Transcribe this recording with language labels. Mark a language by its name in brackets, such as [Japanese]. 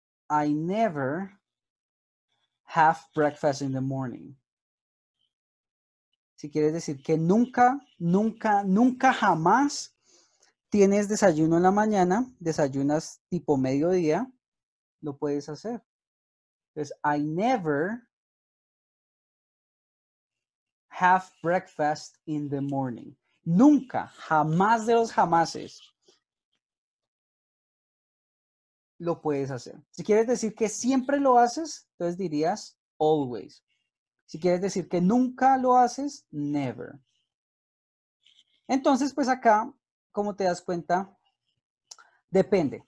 [English] I never have breakfast in the morning. [Spanish] Si quieres decir que nunca, nunca, nunca jamás tienes desayuno en la mañana, desayunas tipo mediodía, lo puedes hacer. Entonces, [English] I never have breakfast in the morning. [Spanish] Nunca, jamás de los jamases, lo puedes hacer. Si quieres decir que siempre lo haces, entonces dirías always. Si quieres decir que nunca lo haces, never. Entonces, pues acá, como te das cuenta, depende.